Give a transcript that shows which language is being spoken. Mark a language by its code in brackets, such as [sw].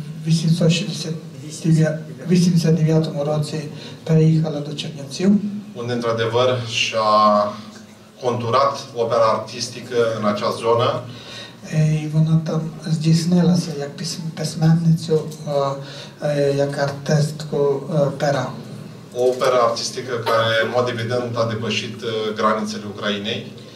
[uk] 1889 році переїхала до Чернівців. [ro] Unde într-adevăr și-a conturat opera artistică în acea zonă. [uk] І вона там здійснилася як письменницю, як артистку пера. [ro] Opera artistică care, în mod evident, a depășit granițele Ucrainei.